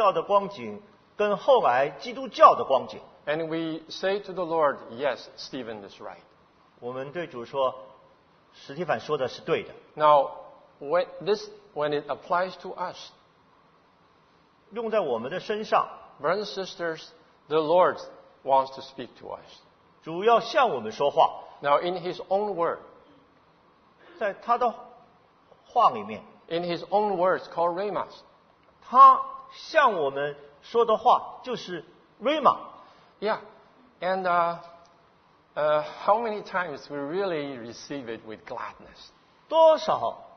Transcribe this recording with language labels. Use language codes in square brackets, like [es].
[zh] 我们看看当时犹太教的光景跟后来基督教的光景, [en] and we say to the Lord, yes, Stephen is right. [zh] 我们对主说, 史蒂凡说的是对的。 [en] Now, when it applies to us, [zh] 用在我们的身上, [en] brothers and sisters, the Lord wants to speak to us. [zh] 主要向我们说话。 [en] Now, in his own word, [zh] 在他的话里面, [en] in his own words, called Ramas, [zh] 他向我们说的话就是Rhema。 [en] Yeah, and how many times we really receive it with gladness?